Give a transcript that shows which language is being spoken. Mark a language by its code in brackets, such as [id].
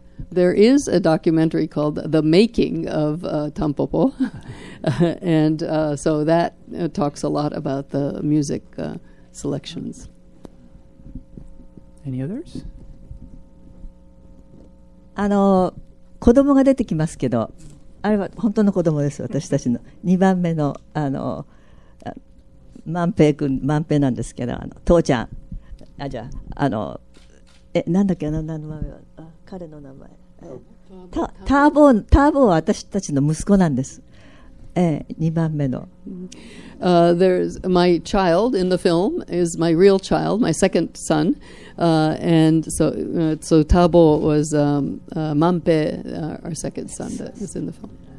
[en] There is a documentary called The Making of Tampopo, and so that talks a lot about the music selections. Any others? [ja] あの子供が出てきますけど、あれは本当の子供です私たちの2番目の万平君、万平なんですけど、父ちゃん、あ、じゃあ、なんだっけ、何の名前は、あ、彼の名前、ターボーは私たちの息子なんです、2番目の。 [en] There's my child in the film is my real child, my second son, and so Tabo was Manpe, our second son that is in the film.